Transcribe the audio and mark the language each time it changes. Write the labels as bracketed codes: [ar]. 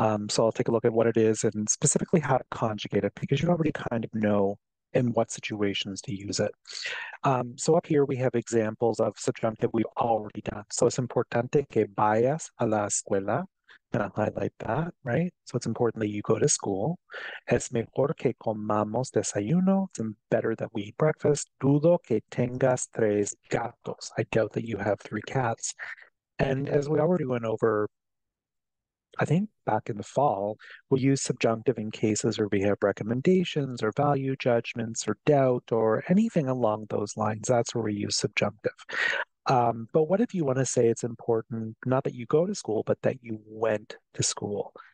[en] So I'll take a look at what it is and specifically how to conjugate it because you already kind of know in what situations to use it. So up here we have examples of subjunctive we've already done. So it's [es] importante que vayas a la escuela. [en] Gonna highlight that, right? So it's important that you go to school. [es] Es mejor que comamos desayuno. [en] It's better that we eat breakfast. [es] Dudo que tengas tres gatos. [en] I doubt that you have three cats. And as we already went over, I think back in the fall, we use subjunctive in cases where we have recommendations or value judgments or doubt or anything along those lines. That's where we use subjunctive. But what if you want to say it's important, not that you go to school, but that you went to school?